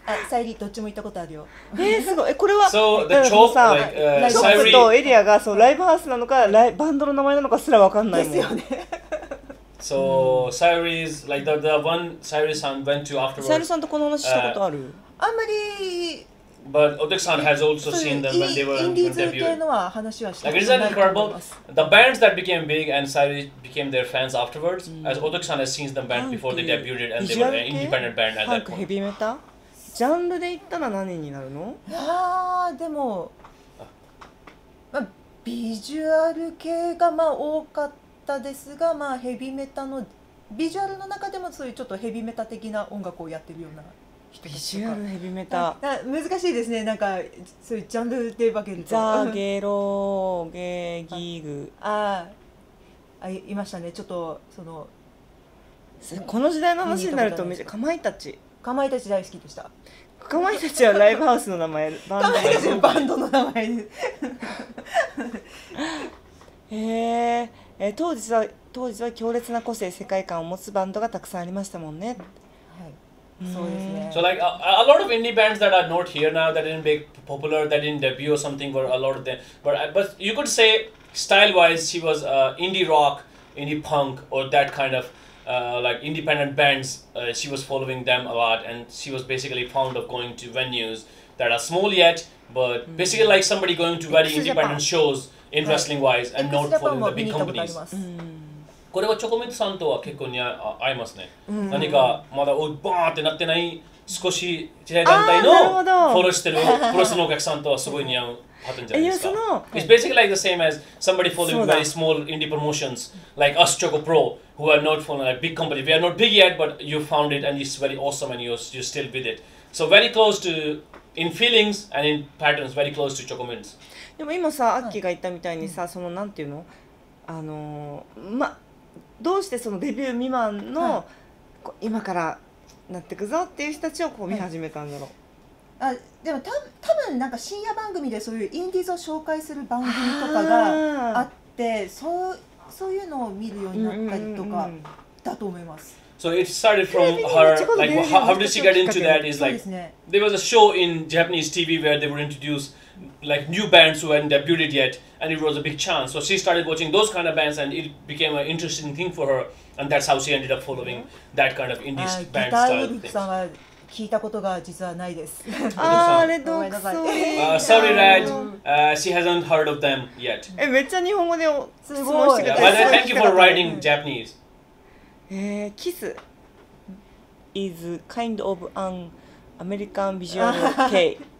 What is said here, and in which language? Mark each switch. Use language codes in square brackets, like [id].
[ja] あ、サイリーどっちも行ったことあるよ。すごい。これは、 [en] So the chop, like, Sairi. [ja] チョップとエリアが、そう、ライブハウスなのか、バンドの名前なのかすらわかんないもん。ですよね。 [en] So, Sairi is, like, the one Sairi san went to afterwards. [ja] サイリーさんとこの話したことある？あんまり。 [en] But Otaki-san has also seen them when they were debuted. Like, isn't that incredible? The bands that became big and Sayuri became their fans afterwards, as Otaki-san has seen them band before they debuted and they were an independent band at that point. [ja] ジャンル系？ジャンルで言ったら何になるの？ああ、でも、まあ、ビジュアル系がまあ多かったですが、まあヘビメタのビジュアルの中でもそういうちょっとヘビメタ的な音楽をやってるような。ビジュアルヘビメタ難しいですね、なんかそういうジャンルで分けるとザ・ゲロー・ゲー・ギーグああいましたね、ちょっとそのこの時代の話になるとめっちゃかまいたち大好きでした。かまいたちはライブハウスの名前バンドかまいたちはバンドの名前です。当時は強烈な個性世界観を持つバンドがたくさんありましたもんね。 [en] So like a lot of indie bands that are not here now, that didn't make popular, that didn't debut or something, were a lot of them. But you could say style-wise, she was indie rock, indie punk, or that kind of like independent bands. She was following them a lot, and she was basically fond of going to venues that are small yet, but basically like somebody going to very independent shows in wrestling-wise and not following the big companies. [ja] これはチョコミントさんとは結構に合いますね。うん、何かまだおバーってなってない少し小さい団体のフォローしてるプロスのお客さんとはすごい似合うパターンじゃないですか。その [en] It's basically like the same as somebody following very small indie promotions like us Choco Pro who are not following a big company. We are not big yet, but you found it and it's very awesome and you're still with it. So very close to in feelings and in patterns, very close to Choco Mints. [ja] でも今さ、アッキーが言ったみたいにさ、そのなんていうの、ま。どうしてそのデビュー未満の、はい、今からなってくぞっていう人たちをこう見始めたんだろう、はい、あでも多分なんか深夜番組でそういうインディーズを紹介する番組とかがあってそういうのを見るようになったりとかだと思います、うんうんうん、 [en] So it started from her like how did she get into that is like there was a show in Japanese TV where they were introduced like new bands who hadn't debuted yetAnd it was a big chance. So she started watching those kind of bands and it became an interesting thing for her. And that's how she ended up following that kind of indie band style. [ja] ギターウルフさんは聞いたことが実はないです。あー、レッドオークソーリー。 [en] Sorry, Red. She hasn't heard of them yet. [ja] え、めっちゃ日本語で質問してくれた。 [en] Thank you for writing Japanese. Kiss is kind of an American visual K.